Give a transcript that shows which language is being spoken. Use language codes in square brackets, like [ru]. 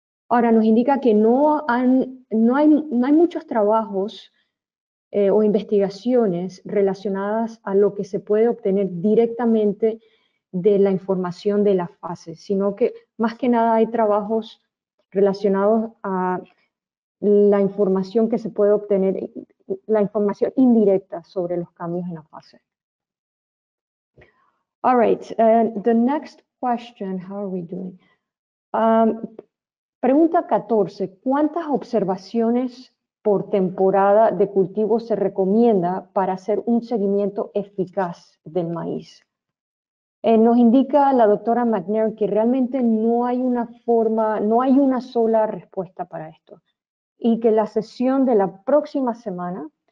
[es] Ahora, nos indica que no hay muchos trabajos o investigaciones relacionadas a lo que se puede obtener directamente de la información de la fase, sino que más que nada hay trabajos relacionados a la información que se puede obtener, la información indirecta sobre los cambios en la fase. [en] All right, the next question, how are we doing? [es] Pregunta 14, ¿cuántas observaciones por temporada de cultivo se recomienda para hacer un seguimiento eficaz del maíz? Nos indica la doctora McNair que realmente no hay una forma, no hay una sola respuesta para esto y que la sesión de la próxima semana